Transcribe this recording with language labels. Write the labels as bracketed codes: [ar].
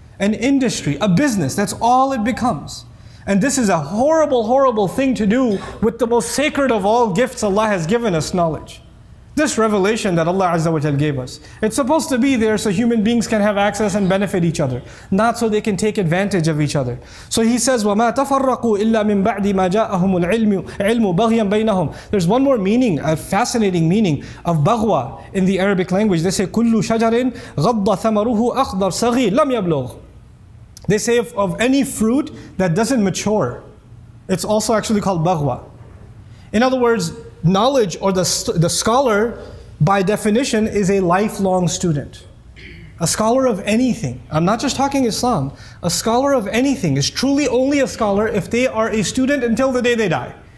[en] An industry, a business, that's all it becomes. And this is a horrible, horrible thing to do with the most sacred of all gifts Allah has given us, knowledge. This revelation that Allah Azza wa Jal gave us, it's supposed to be there so human beings can have access and benefit each other, not so they can take advantage of each other. So he says, [ar] وَمَا تَفَرَّقُوا إِلَّا مِنْ بَعْدِ مَا جَاءَهُمُ الْعِلْمُ بَغْيًا بَيْنَهُمْ. [en] There's one more meaning, a fascinating meaning of baghwa in the Arabic language. They say, [ar] كُلُّ شَجَرٍ غَضَّ ثَمَرُهُ أَخْضَرْ صَغِيرٍ لَمْ يَبْلُغْ. [en] They say of any fruit that doesn't mature, it's also actually called baghwa. In other words, knowledge or the scholar, by definition, is a lifelong student. A scholar of anything, I'm not just talking Islam, a scholar of anything is truly only a scholar if they are a student until the day they die.